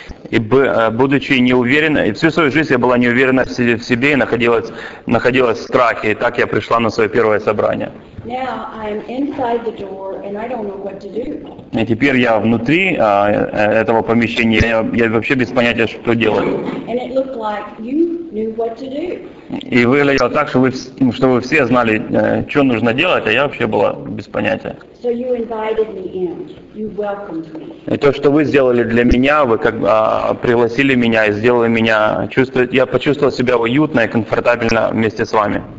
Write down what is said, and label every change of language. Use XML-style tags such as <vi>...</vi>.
<ru>И будучи неуверенной, всю свою жизнь я была неуверена в себе и находилась в страхе, и так я пришла на свое первое собрание.</ru> <en>Now I'm inside the door and I don't know what to do.</en> <ru>И теперь я внутри этого помещения, я вообще без понятия, что делать.</ru> <en>And it looked like you knew what to do.</en> <ru>И выглядело так, что вы все знали, что нужно делать, а я вообще была без понятия.</ru> <en>So you invited me in. You welcomed me.</en> <ru>И то, что вы сделали для меня, вы как пригласили меня и сделали меня чувствовать, я почувствовал себя уютно и комфортабельно вместе с вами.</ru>